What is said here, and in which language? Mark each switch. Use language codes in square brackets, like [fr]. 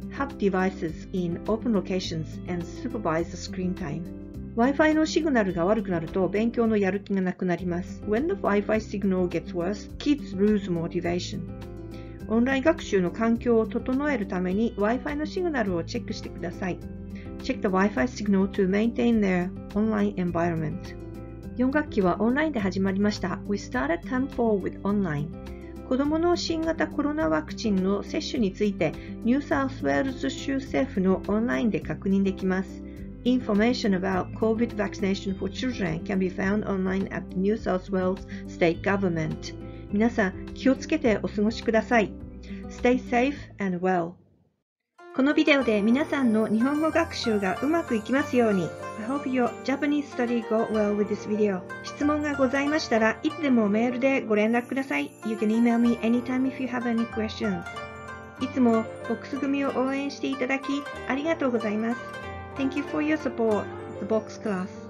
[en] Have devices in open locations and supervise the screen time. [ja] Wi-Fi のシグナルが悪くなると勉強のやる気がなくなります。 [en] When the Wi-Fi signal gets worse, kids lose motivation. [ja] オンライン学習の環境を整えるために Wi-Fi のシグナルをチェックしてください。 [en] Check the Wi-Fi signal to maintain their online environment. [ja] 4学期はオンラインで始まりました。 [en] We started term 4 with online. [ja] 子どもの新型コロナワクチンの接種について、ニューサウスウェールズ州政府のオンラインで確認できます。 [en] Information about COVID vaccination for children can be found online at the New South Wales State Government. [ja] 皆さん、気をつけてお過ごしください。 [en] Stay safe and well. [ja] このビデオで皆さんの日本語学習がうまくいきますように。 [en] I hope your Japanese study go well with this video. [ja] 質問がございましたら、いつでもメールでご連絡ください。 [en] You can email me anytime if you have any questions. [ja] いつもボックス組を応援していただき、ありがとうございます。 [en] Thank you for your support, the Box Class.